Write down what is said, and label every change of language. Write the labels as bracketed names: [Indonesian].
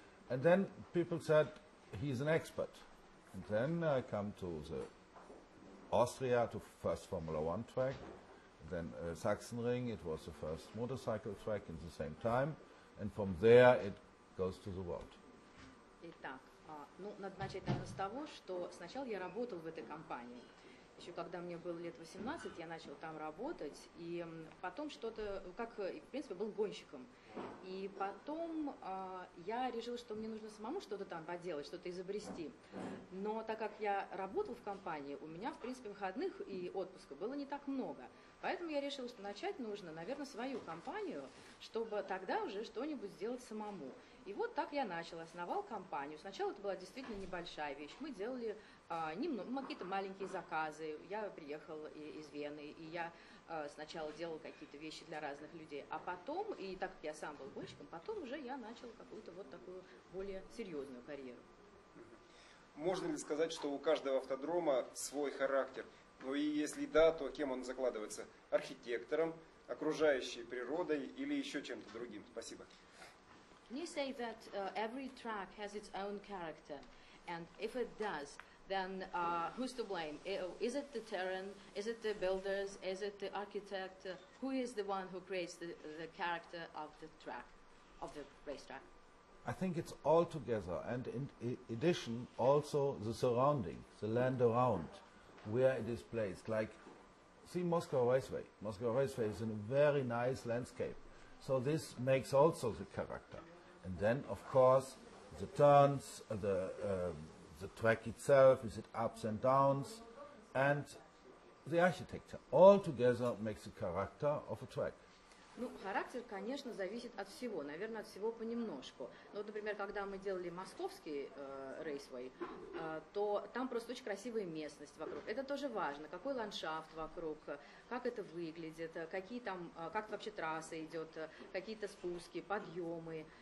[English] And then people said, he's an expert. And then I come to the Austria, to first Formula One track, then Sachsenring, it was the first motorcycle track in the same time. And from there it goes to the world. [Russian] Итак, ну, надо начать, наверное, с того, что сначала я работал в этой компании. Еще когда мне было лет 18, я начал там работать. И потом что-то, как, в принципе, был гонщиком. И потом я решил, что мне нужно самому что-то там поделать, что-то изобрести. Но так как я работал в компании, у меня, в принципе, выходных и отпуска было не так много. Поэтому я решил, что начать нужно, наверное, свою компанию, чтобы тогда уже что-нибудь сделать самому. И вот так я начал, основал компанию. Сначала это была действительно небольшая вещь. Мы делали какие-то маленькие заказы. Я приехал из Вены, и я сначала делал какие-то вещи для разных людей. А потом, и так как я сам был гонщиком, потом уже я начал какую-то вот такую более серьезную карьеру. Можно ли сказать, что у каждого автодрома свой характер? Ну и если да, то кем он закладывается? Архитектором, окружающей природой или еще чем-то другим? Спасибо. [English] Can you say that every track has its own character? And if it does, then who's to blame? Is it the terrain? Is it the builders? Is it the architect? Who is the one who creates the character of the track, of the racetrack? I think it's all together. And in addition, also the surrounding, the land around, where it is placed. Like, see Moscow Raceway. Moscow Raceway is in a very nice landscape. So this makes also the character. And then, of course, the turns, the track itself, is it ups and downs, and the architecture. All together makes the character of a track. [Russian] Ну, характер, конечно, зависит от всего, наверное, от всего понемножку. Но, вот, например, когда мы делали Московский рейсвей, то там просто очень красивая местность вокруг. Это тоже важно, какой ландшафт вокруг, как это выглядит, какие там, как вообще трасса идет, какие-то спуски, подъемы.